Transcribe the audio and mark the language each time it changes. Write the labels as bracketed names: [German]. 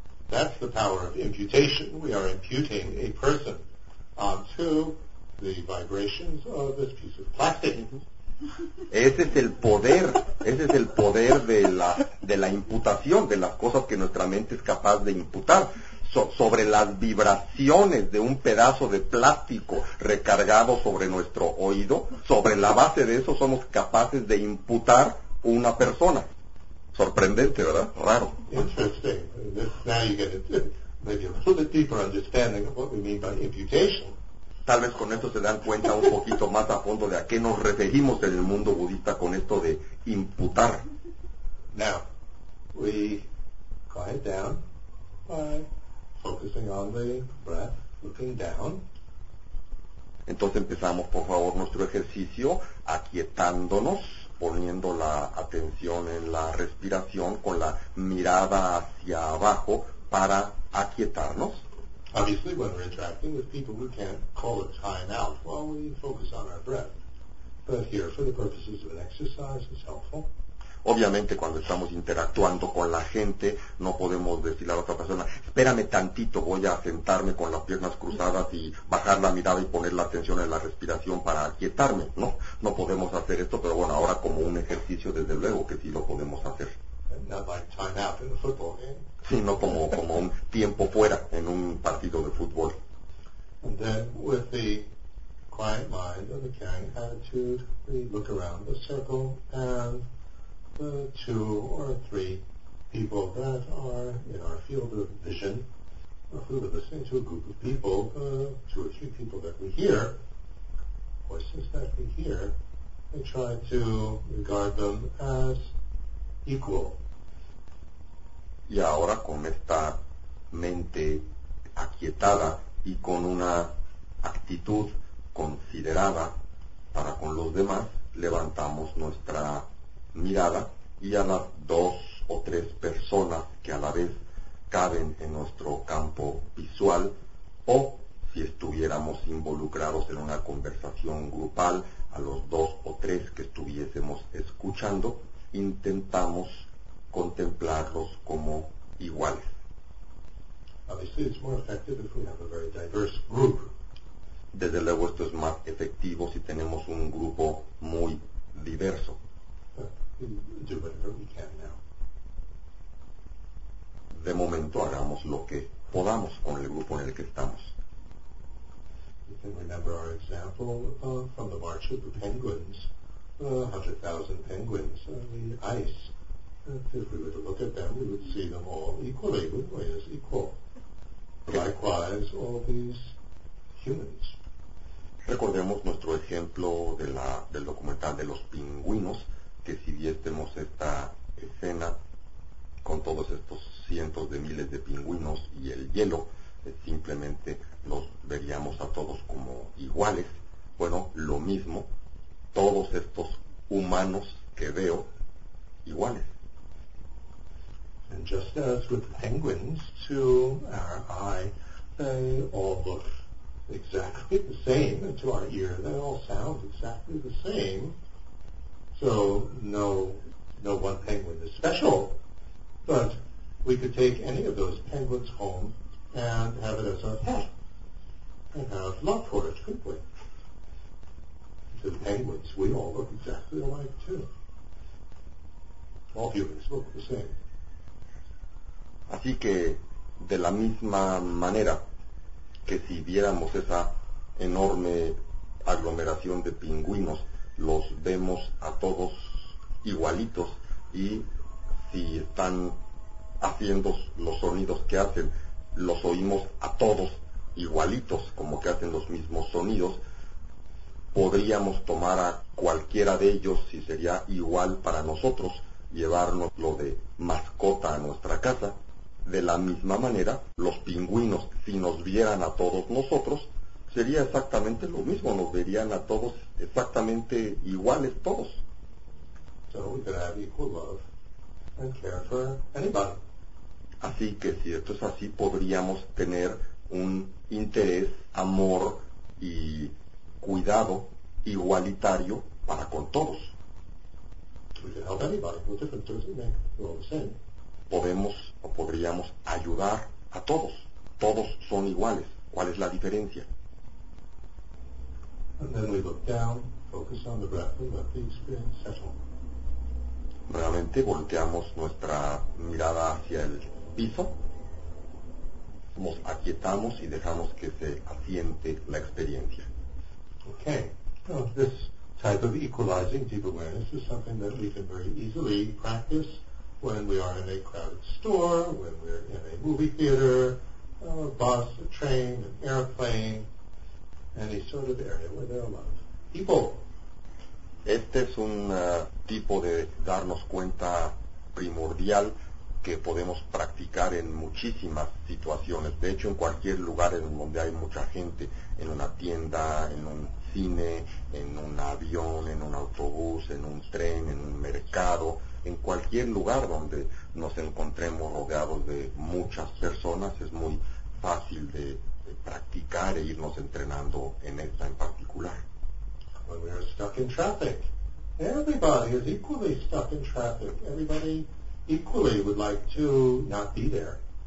[English] That's the power of imputation. We are imputing a person onto the vibrations of this piece of plastic. [Spanish] Ese es el poder de la imputación, de las cosas que nuestra mente es capaz de imputar. Sobre las vibraciones de un pedazo de plástico recargado sobre nuestro oído, sobre la base de eso somos capaces de imputar una persona. Sorprendente, ¿verdad? Raro. [English] Interesting. Now you get maybe a little bit deeper understanding of what we mean by imputation. [Spanish] Tal vez con esto se dan cuenta un poquito más a fondo de a qué nos referimos en el mundo budista con esto de imputar. [English] Now, we quiet down by focusing on the breath, looking down. [Spanish] Entonces empezamos, por favor, nuestro ejercicio aquietándonos, poniendo la atención en la respiración con la mirada hacia abajo para aquietarnos. [English] Obviously, when we're interacting with people, we can't call a time out while we focus on our breath. But here, for the purposes of an exercise, it's helpful. [Spanish] Obviamente, cuando estamos interactuando con la gente, no podemos decirle a la otra persona, espérame tantito, voy a sentarme con las piernas cruzadas y bajar la mirada y poner la atención en la respiración para aquietarme, ¿no? No podemos hacer esto, pero bueno, ahora como un ejercicio, desde luego que sí lo podemos hacer. [English] Not like time out in a football game. [Spanish] Sí, no como un tiempo fuera en un partido de fútbol. [English] And then, with the quiet mind and the caring attitude, we look around the circle and the two or three people that are in our field of vision, or who are listening to a group of people, the two or three people that we hear, voices that we hear, we try to regard them as equal. [Spanish] Y ahora con esta mente aquietada y con una actitud considerada para con los demás, levantamos nuestra mirada y a las dos o tres personas que a la vez caben en nuestro campo visual, o si estuviéramos involucrados en una conversación grupal, a los dos o tres que estuviésemos escuchando, intentamos contemplarlos como iguales. [English] Obviously, it's more effective if we have a very diverse group. [Spanish] Desde luego, esto es más efectivo si tenemos un grupo muy diverso. [English] But we do whatever we can now. [Spanish] De momento, hagamos lo que podamos con el grupo en el que estamos. [English] You can remember our example from the March of the Penguins, 100,000 penguins on the ice. And if we were to look at them, we would see them all equally. We weigh as equal. Likewise, all these humans. [Spanish] Recordemos nuestro ejemplo de la, del documental de los pingüinos, que si viésemos esta escena con todos estos cientos de miles de pingüinos y el hielo, simplemente los veríamos a todos como iguales. Bueno, lo mismo, todos estos humanos que veo, iguales. [English] And just as with penguins, to our eye, they all look exactly the same, and to our ear, they all sound exactly the same. So no one penguin is special, but we could take any of those penguins home and have it as our pet, and have love for it, couldn't we? The penguins, we all look exactly alike too. All humans look the same. [Spanish] Así que, de la misma manera que si viéramos esa enorme aglomeración de pingüinos, los vemos a todos igualitos, y si están haciendo los sonidos que hacen, los oímos a todos igualitos, como que hacen los mismos sonidos, podríamos tomar a cualquiera de ellos, si sería igual para nosotros, llevárnoslo de mascota a nuestra casa. De la misma manera, los pingüinos, si nos vieran a todos nosotros, sería exactamente lo mismo, nos verían a todos exactamente iguales todos. [English] So we could have equal love and care for anybody. [Spanish] Así que si esto es así, podríamos tener un interés, amor y cuidado igualitario para con todos. [English] We could help anybody. What difference does it make? We're all the same. [Spanish] Podemos o podríamos ayudar a todos. Todos son iguales. ¿Cuál es la diferencia? [English] And then we look down, focus on the breath, and let the experience settle. [Spanish] Realmente volteamos nuestra mirada hacia el piso. Nos aquietamos y dejamos que se asiente la experiencia. [English] Okay. Now, this type of equalizing deep awareness is something that we can very easily practice when we are in a crowded store, when we're in a movie theater, a bus, a train, an airplane, any sort of area where there are a lot of people. [Spanish] Este es un tipo de darnos cuenta primordial que podemos practicar en muchísimas situaciones. De hecho, en cualquier lugar en donde hay mucha gente, en una tienda, en un cine, en un avión, en un autobús, en un tren, en un mercado, en cualquier lugar donde nos encontremos rodeados de muchas personas, es muy fácil de practicar e irnos entrenando en esta en particular. [English] When we are stuck in traffic, everybody is equally stuck in traffic. Everybody equally would like to not be there.